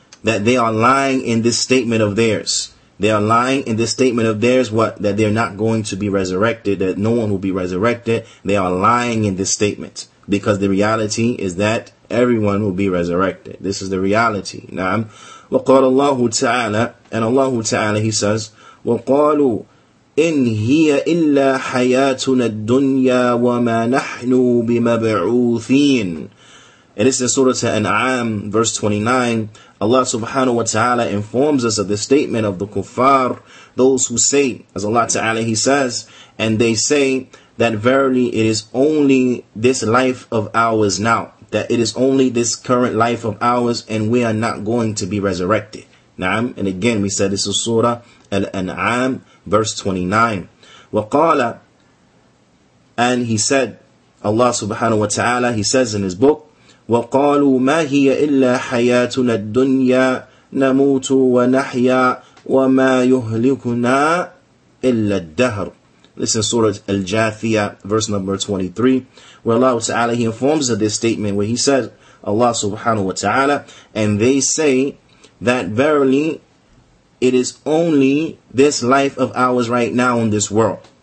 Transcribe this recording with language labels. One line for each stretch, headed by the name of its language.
English: That they are lying in this statement of theirs. What? That they're not going to be resurrected. That no one will be resurrected. They are lying in this statement. Because the reality is that everyone will be resurrected. This is the reality. Naam.
Arabic: وَقَالَ اللَّهُ تَعَالَى.
English: And Allah Ta'ala, he says,
Arabic: وَقَالُوا إِنْ هِيَ إِلَّا حَيَاتُنَا الدُّنْيَا وَمَا نَحْنُ بِمَبْعُوثِينَ.
English: And this is Surah An'am, verse 29. Allah subhanahu wa ta'ala informs us of the statement of the kuffar, those who say, as Allah ta'ala he says, and they say that verily it is only this life of ours now, that it is only this current life of ours and we are not going to be resurrected. Na'am. And again we said this is Surah Al-An'am, verse 29.
Arabic: وَقَالَ,
English: and he said, Allah subhanahu wa ta'ala, he says in his book,
Arabic: وَقَالُوا مَا هِيَ إِلَّا حَيَاتُنَا الدُّنْيَا نَمُوتُ وَنَحْيَا وَمَا يُهْلِكُنَا إِلَّا الدَّهْرُ.
English: This is Surah Al-Jathiyah, verse number 23, where Allah Ta'ala, he informs of this statement, where he says, Allah Subhanahu Wa Ta'ala, and they say that verily, it is only this life of ours right now in this world.